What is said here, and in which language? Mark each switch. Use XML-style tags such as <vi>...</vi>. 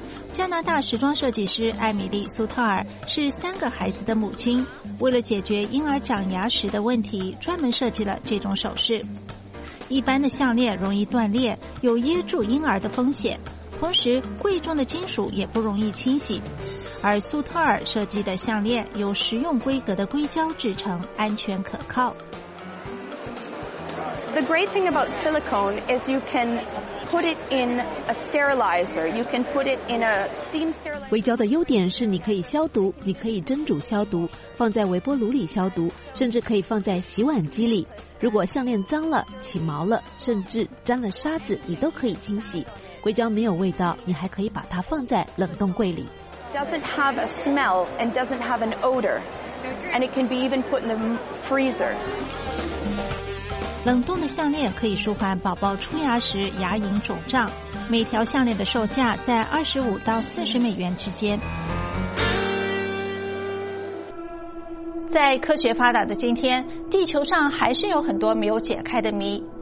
<zh>加拿大时装设计师艾米丽·苏特尔是三个孩子的母亲，为了解决婴儿长牙时的问题，专门设计了这种首饰。一般的项链容易断裂，有噎住婴儿的风险，同时贵重的金属也不容易清洗，而苏特尔设计的项链由实用规格的硅胶制成，安全可靠。</zh> <en>The great thing about silicone is you can put it in a sterilizer. You can put it in a steam sterilizer.</en> <zh>硅胶的优点是你可以消毒，你可以蒸煮消毒，放在微波炉里消毒，甚至可以放在洗碗机里。如果项链脏了、起毛了，甚至沾了沙子，你都可以清洗。硅胶没有味道，你还可以把它放在冷冻柜里。</zh> <en>Doesn't have a smell and doesn't have an odor, and it can be even put in the freezer.</en> <zh>冷冻的项链可以舒缓宝宝出牙时牙龈肿胀，每条项链的售价在25到40美元之间。在科学发达的今天，地球上还是有很多没有解开的谜。</zh>